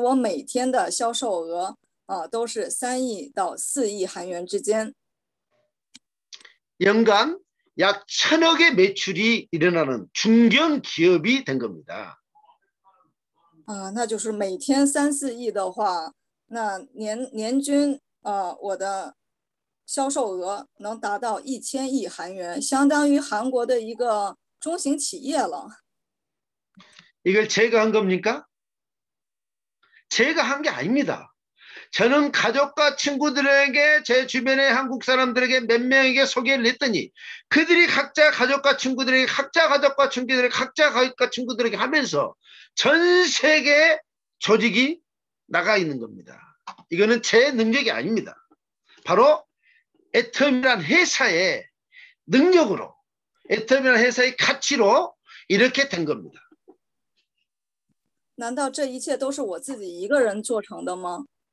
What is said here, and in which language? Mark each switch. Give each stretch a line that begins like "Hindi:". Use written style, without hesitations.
Chinese: 所以说呢，我现如今我每天的卖出呢，事先跟大家说一下，我现在是不进行销售的，我不会跟任何人去卖东西的，我只卖给我自己，但是我每天的销售额。都是 3亿到4亿韩元之间。
Korean: 연간 약 1000억의 매출이 일어나는 중견 기업이 된 겁니다.
Chinese: 那就是每天3-4亿的话，那年均我的销售额能达到1000亿韩元，相当于韩国的一个中型企业了。
Korean: 이걸 제가 한 겁니까? 제가 한게 아닙니다. 저는 가족과 친구들에게 제 주변의 한국 사람들에게 몇 명에게 소개를 했더니 그들이 각자 가족과 친구들에게 각자 가족과 친구들에게 각자 가족과 친구들에게 하면서 전 세계 조직이 나가 있는 겁니다. 이거는 제 능력이 아닙니다. 바로 애텀이란 회사의 능력으로 애텀이란 회사의 가치로 이렇게 된 겁니다.
Chinese: 난道这一切都是我自己一个人做成的吗？